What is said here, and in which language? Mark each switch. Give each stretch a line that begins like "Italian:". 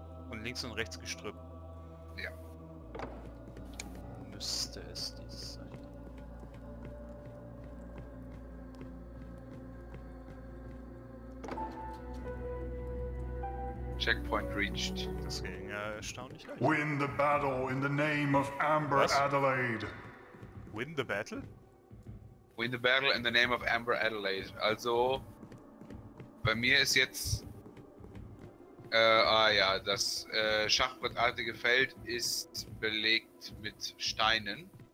German: Und links und rechts Gestrüpp. Ja. Müsste es dies sein.
English: Checkpoint reached.
German: Das ging erstaunlich leicht.
English: Win the battle in the name of Amber.
German: Was? Adelaide.
English: Win the battle? Win the battle in the name of Amber Adelaide.
German: Also, bei mir ist jetzt... das schachbrettartige Feld ist belegt mit Steinen.